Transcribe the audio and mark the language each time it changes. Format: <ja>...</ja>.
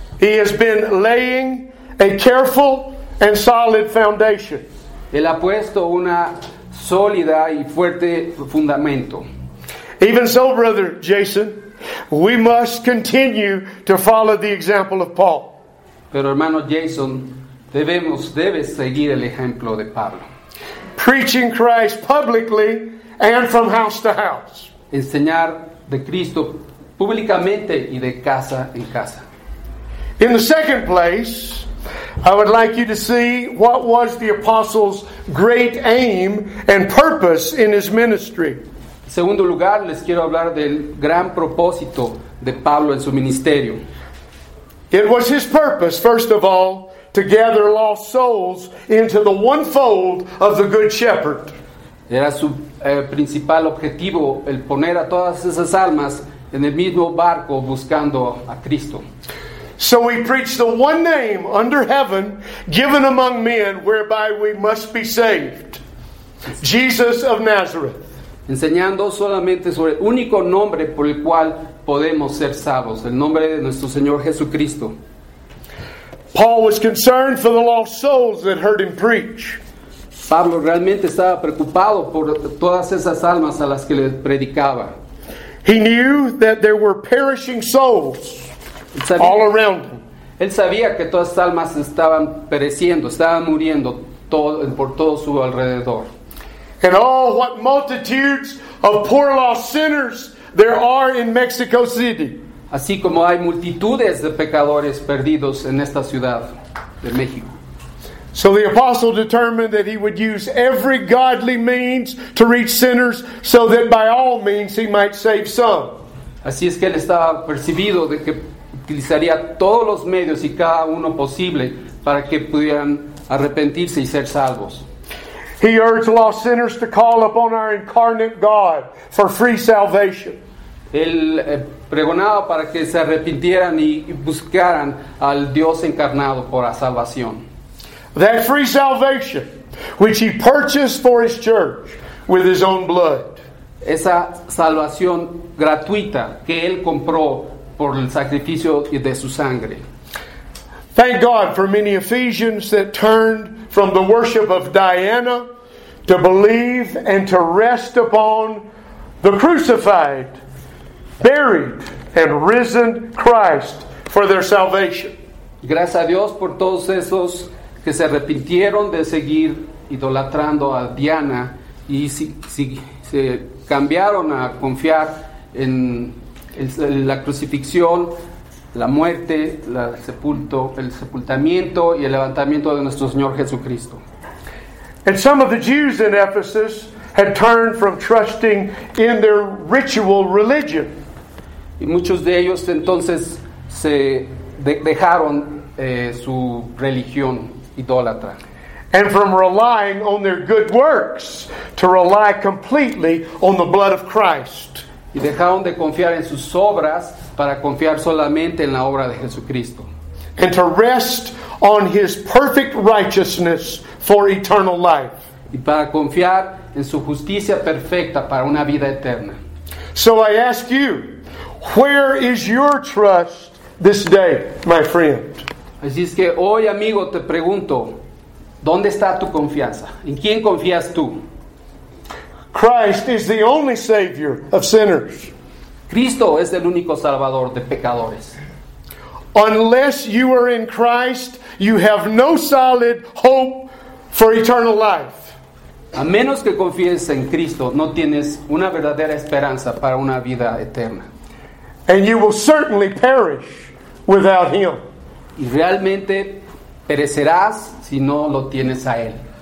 <en>He has been laying a careful and solid foundation.</en> <es>Él ha puesto una sólida y fuerte fundamento.</es> <en>Even so, brother Jason, we must continue to follow the example of Paul.</en> <es>Pero hermano Jason, debes seguir el ejemplo de Pablo.</es> <en>Preaching Christ publicly and from house to house.</en> <es>Enseñar de Cristo públicamente y de casa en casa.</es> <en>In the second place, I would like you to see what was the apostle's great aim and purpose in his ministry.</en> <es>En segundo lugar, les quiero hablar del gran propósito de Pablo en su ministerio.</es> <en>It was his purpose, first of all, to gather lost souls into the one fold of the Good Shepherd.</en> <es>Era su principal objetivo el poner a todas esas almas en el mismo barco buscando a Cristo.</es> <en>So we preach the one name under heaven given among men whereby we must be saved. Jesus of Nazareth.</en> <es>Enseñando solamente sobre el único nombre por el cual podemos ser salvos, el nombre de nuestro Señor Jesucristo.</es> <en>Paul was concerned for the lost souls that heard him preach.</en> <es>Pablo realmente estaba preocupado por todas esas almas a las que le predicaba.</es> <en>He knew that there were perishing souls all around him.</en> <es>Él sabía que todas las almas estaban pereciendo, estaban muriendo todo, por todo su alrededor.</es> <en>And oh, what multitudes of poor lost sinners there are in Mexico City.</en> <es>Así como hay multitudes de pecadores perdidos en esta ciudad de México.</es> <en>So the apostle determined that he would use every godly means to reach sinners so that by all means he might save some.</en> <es>Así es que él estaba percibido de que utilizaría todos los medios y cada uno posible para que pudieran arrepentirse y ser salvos.</es> <en>He urged lost sinners to call upon our incarnate God for free salvation.</en> <es>Él pregonaba para que se arrepintieran y buscaran al Dios encarnado por la salvación.</es> <en>That free salvation which he purchased for his church with his own blood.</en> <es>Esa salvación gratuita que él compró por el sacrificio de su sangre.</es> <en>Thank God for many Ephesians that turned from the worship of Diana to believe and to rest upon the crucified, buried and risen Christ for their salvation.</en> <es>Gracias a Dios por todos esos que se arrepintieron de seguir idolatrando a Diana y se cambiaron a confiar en la crucifixión, la muerte, el sepultamiento y el levantamiento de nuestro Señor Jesucristo.</es> <en>And some of the Jews in Ephesus had turned from trusting in their ritual religion.</en> <es>Y muchos de ellos entonces se dejaron su religión idólatra.</es> <en>And from relying on their good works to rely completely on the blood of Christ.</en> <es>Y dejaron de confiar en sus obras para confiar solamente en la obra de Jesucristo.</es> <en>And to rest on his perfect righteousness for eternal life.</en> <es>Y para confiar en su justicia perfecta para una vida eterna.</es> <en>So I ask you, where is your trust this day, my friend?</en> <es>Así es que hoy, amigo, te pregunto, ¿dónde está tu confianza? ¿En quién confías tú?</es> <en>Christ is the only savior of sinners.</en> <es>Cristo es el único salvador de pecadores.</es> <en>Unless you are in Christ, you have no solid hope for eternal life.</en> <es>A menos que confíes en Cristo, no tienes una verdadera esperanza para una vida eterna.</es> <en>And you will certainly perish without him.</en> <es>Y realmente perecerás si no lo tienes a él.</es>